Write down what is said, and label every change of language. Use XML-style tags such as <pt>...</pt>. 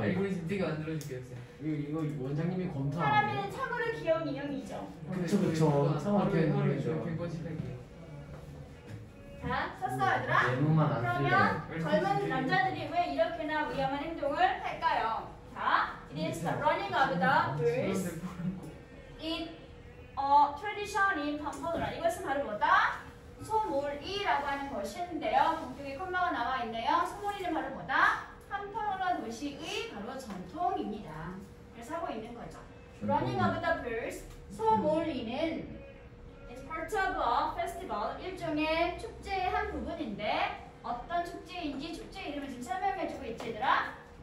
<ko>알고리즘 되게 만들어 줄게요. 이거 원장님이 검토. 사람은 참으로 귀여운 인형이죠. 그쵸, 그쵸. 참으로 귀여운 인형이죠. 자, 썼어, 얘들아? 외모만 안 쓰면 젊은 남자들이 왜 이렇게나 위험한 행동을 할까요?</ko> <en>자, it is the running of the bulls. It a tradition in Pamplona.</en> <ko>이것은 바로 뭐다? 소몰이라고 하는 것인데요. 동격에 콤마가 나와 있네요. 소몰이는 바로 뭐다? 팜플로나 도시의 바로 전통입니다. 그래서 하고 있는 거죠.</ko> <en>Running of the bulls.</en> <ko>소몰이는</ko> <en>Part of a festival,</en> <ko>일종의 축제의 한 부분인데 어떤 축제인지 축제 이름을 지금 설명해주고 있지, 얘들아?</ko>